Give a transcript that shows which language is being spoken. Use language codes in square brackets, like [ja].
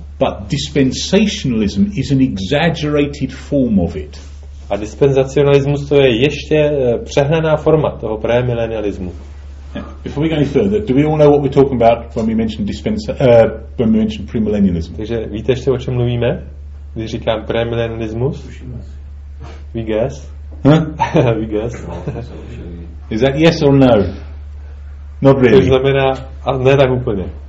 [en] But dispensationalism is an exaggerated form of it. [cs] A dispensacionalismus to je ještě přehnaná forma toho premillennialismu. [en] Before we go any further, do we all know what we're talking about when we mention when we mention premillennialism? [cs] Takže víte ještě, o čem mluvíme, když říkám premillennialismus? [en] We guess. Huh? We guess. Is that yes or no? Not really. [cs] To znamená, a ne tak úplně.